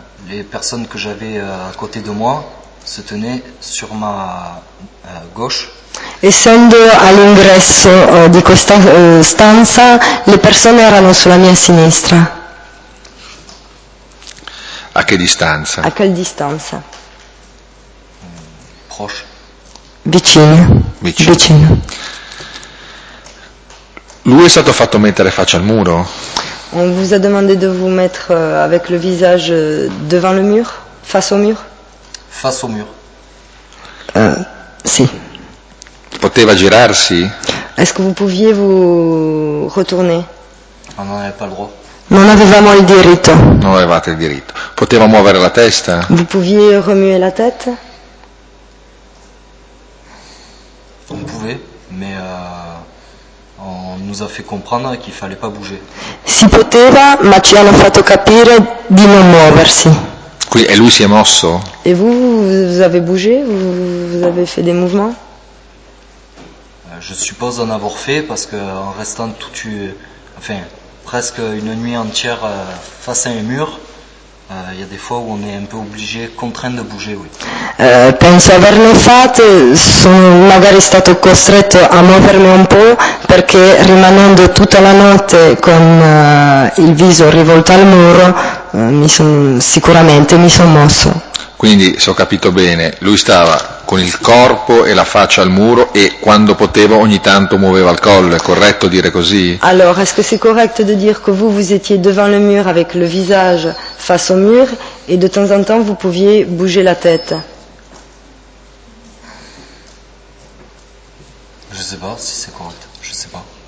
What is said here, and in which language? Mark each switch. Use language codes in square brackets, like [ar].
[fr] les personnes que j'avais à côté de moi se tenaient sur ma gauche. [it] Essendo all'ingresso di questa stanza, le persone erano sulla mia sinistra. A che distanza? A quale distanza? [fr] Proche. [it] Vicino. Vicino. Vicino. Lui è stato fatto mettere faccia al muro? [fr] On vous a demandé de vous mettre avec le visage devant le mur, face au mur? Face au mur. [it] Sì. Poteva girarsi? [fr] Est-ce que vous pouviez vous retourner? Non, non, pas le droit. [it] Non avevamo il diritto. Non avevate il diritto. Poteva muovere la testa? [fr] Vous pouviez remuer la tête? On pouvait, mais on nous a fait comprendre qu'il fallait pas bouger. [it] Si poteva, ma ci hanno fatto capire di non muoversi. Qui, e lui si è mosso. [fr] E vous avez bougé, vous avez fait des mouvements? Je suppose en avoir fait parce que en restant toute, enfin presque une nuit entière face à un mur. Il y a des fois où on est un peu obligé, contraint de bouger, oui. [it] Penso averlo fatto, sono magari stato costretto a muovermi un po' perché rimanendo tutta la notte con il viso rivolto al muro, mi sono mosso. Quindi, se ho capito bene, lui stava con il corpo e la faccia al muro e quando poteva ogni tanto muoveva il collo, è corretto dire così? [fr] Allora, est-ce que c'est correct de dire que vous étiez devant le mur avec le visage face au mur e de temps en temps vous pouviez bouger la tête? Je sais pas si c'est correct, je sais pas.